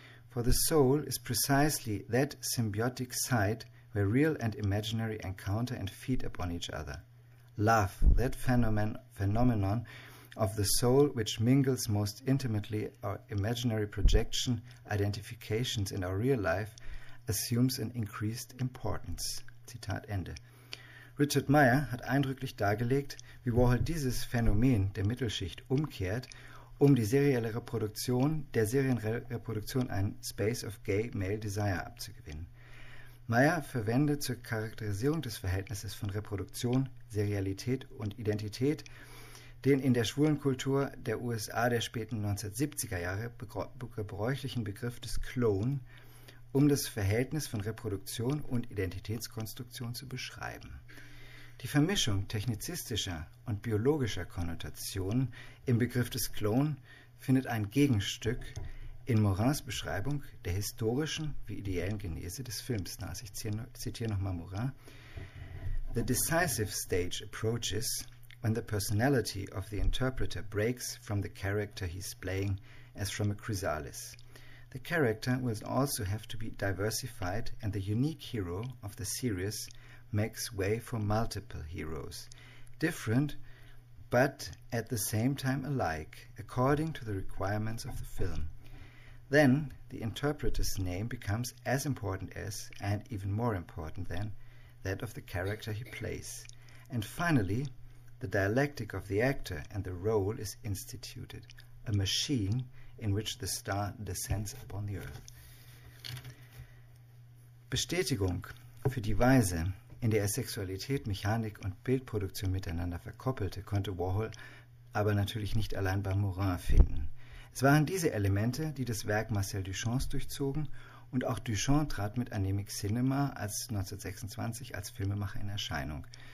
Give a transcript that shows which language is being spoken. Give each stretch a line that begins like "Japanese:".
English: For the soul is precisely that symbiotic site where real and imaginary encounter and feed upon each other. Love, that phenomenon of the soul which mingles most intimately our imaginary projection, identifications in our real life, assumes an increased importance.
German: Zitat Ende. Richard Meyer hat eindrücklich dargelegt, wie Warhol dieses Phänomen der Mittelschicht umkehrt, um die serielle Reproduktion der Serienreproduktion ein
English: Space of Gay Male Desire
German: abzugewinnen. Meyer verwendet zur Charakterisierung des Verhältnisses von Reproduktion, Serialität und Identität den in der schwulen Kultur der USA der späten 1970er Jahre gebräuchlichen Begriff des Clone, um das Verhältnis von Reproduktion und Identitätskonstruktion zu beschreiben. Die Vermischung technizistischer und biologischer Konnotationen im Begriff des Clone findet ein Gegenstück in Morins Beschreibung der historischen wie ideellen Genese des Films. Ich zitiere nochmal Morin.
English: The decisive stage approaches when the personality of the interpreter breaks from the character he's playing as from a chrysalis. The character will also have to be diversified and the unique hero of the series makes way for multiple heroes, different but at the same time alike, according to the requirements of the film. Then the interpreter's name becomes as important as, and even more important than, that of the character he plays. And finally, the dialectic of the actor and the role is instituted, a machine in which the star descends upon the earth.
German: Bestätigung für die Weise, in der er Sexualität, Mechanik und Bildproduktion miteinander verkoppelte, konnte Warhol aber natürlich nicht allein bei Morin finden. Es waren diese Elemente, die das Werk Marcel Duchamps durchzogen, und auch Duchamp trat mit Anemic Cinema als 1926 als Filmemacher in Erscheinung.